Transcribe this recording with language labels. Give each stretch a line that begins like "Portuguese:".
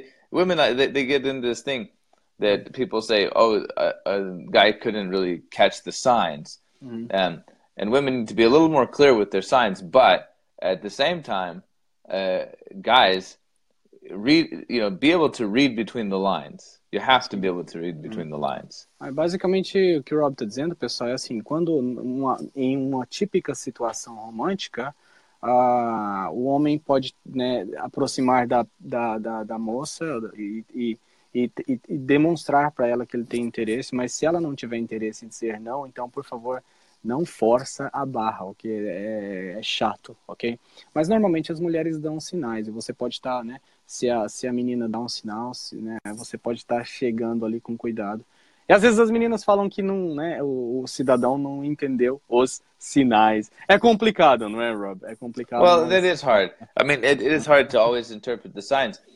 English: Women get into this thing that people say, a guy couldn't really catch the signs. Mm-hmm. And women need to be a little more clear with their signs. But at the same time, guys, be able to read between the lines. You have to be able to read between the lines.
Portuguese: Basicamente, o que o Rob está dizendo, pessoal, é assim, quando em uma típica situação romântica, o homem pode, né, aproximar da moça e demonstrar para ela que ele tem interesse, mas se ela não tiver interesse em dizer não, então, por favor, não força a barra, o que é chato, ok? Mas normalmente as mulheres dão sinais e você pode estar, né, se a menina dá um sinal, né, você pode estar chegando ali com cuidado. E às vezes as meninas falam que não, né, o cidadão não entendeu os sinais. É complicado, não é, Rob? É complicado.
English: Well, mas... it is hard. I mean, it is hard to always interpret the signs.